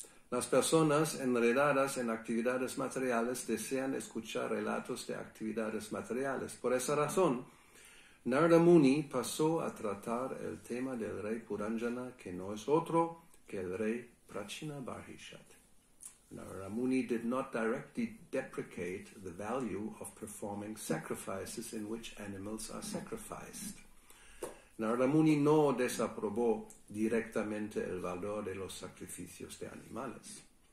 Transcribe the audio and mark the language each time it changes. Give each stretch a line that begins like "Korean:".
Spanish: Las personas enredadas en actividades materiales desean escuchar relatos de actividades materiales. Por esa razón, Narada Muni pasó a tratar el tema del rey Puranjana, que no es otro que el rey Prachinabhrishat.
English: Narada Muni did not directly deprecate the value of performing sacrifices in which animals are sacrificed.
Spanish: Narada Muni no desaprobó directamente el valor de los sacrificios de animales.